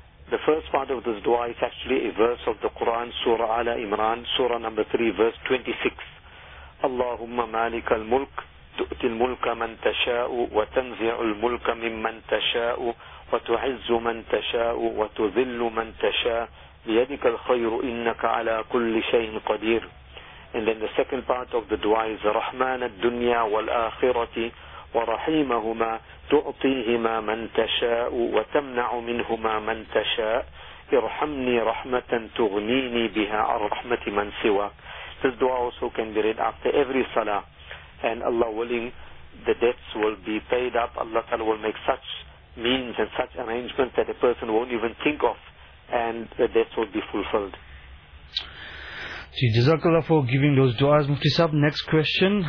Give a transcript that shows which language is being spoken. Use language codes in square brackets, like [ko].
[en] The first part of this dua is actually a verse of the Quran, Surah Ala Imran, Surah number 3, verse 26. [ar] Allahumma malika al-mulk, tu'ti al-mulka man tasha'u, wa tanzi'u al-mulka mimman tasha'u, wa tu'izzu man tasha'u, wa tuzillu man tasha'u, بيدك الخير إنك على كل شيء قدير. [en] And then the second part of the dua is [ar] رحمن الدنيا والآخرة ورحيمهما تعطيهما من تشاء وتمنع منهما من تشاء ارحمني رحمة تغنيني بها الرحمة من سوى. [en] This dua also can be read after every salah, and Allah willing, the debts will be paid up. Allah Ta'ala will make such means and such arrangements that a person won't even think of, and the debts will be fulfilled. Ji, Jazakallah for giving those du'as, Mufti Sahab. Next question.